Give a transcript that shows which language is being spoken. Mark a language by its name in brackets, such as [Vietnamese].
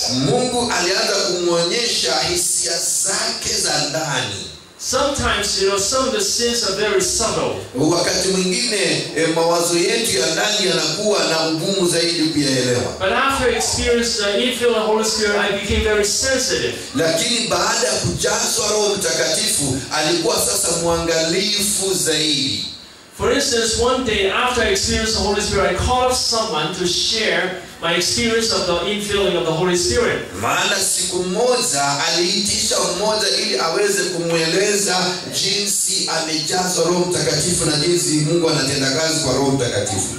[Swahili] Mungu alianza kumuonyesha hisia zake za ndani. [English] Sometimes, you know, some of the sins are very subtle. [Swahili] Wakati mwingine mawazo yetu ya ndani yanakuwa na ugumu zaidi kuyaelewa. [English] But after experiencing the infilling of the Holy Spirit, I became very sensitive. [Swahili] Lakini baada ya kujazwa Roho Mtakatifu, alikuwa sasa mwangalifu zaidi. [English] For instance, one day after I experienced the Holy Spirit, I called someone to share my experience of the infilling of the Holy Spirit. [Swahili] Maana siku moja aliitisha mmoja ili aweze kumueleza jinsi amejazwa Roho Mtakatifu na jinsi Mungu anatenda kazi kwa Roho Mtakatifu.